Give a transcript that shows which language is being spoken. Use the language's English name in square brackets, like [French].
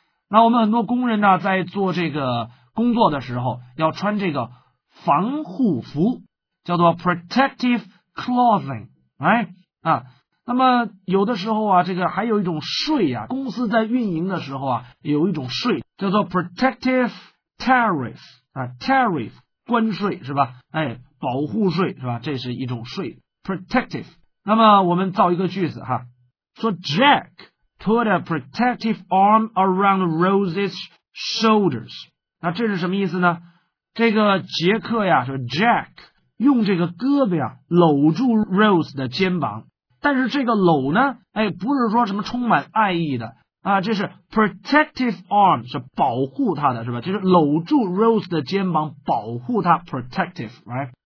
[Chinese] 那我们很多工人呢，在做这个工作的时候，要穿这个防护服，叫做 protective clothing， 哎啊。那么有的时候啊，这个还有一种税啊，公司在运营的时候啊，有一种税叫做 protective tariff 啊 ，tariff 关税是吧？哎，保护税是吧？这是一种税 ，protective。那么我们造一个句子哈，说 [English] Jack put a protective arm around Rose's shoulders。 [Chinese] 那这是什么意思呢？这个杰克呀，说 Jack 用这个胳膊呀搂住 Rose 的肩膀。但是这个搂呢，哎，不是说什么充满爱意的啊，这是 protective arm， 是保护他的是吧？就是搂住 Rose 的肩膀，保护他 protective， right？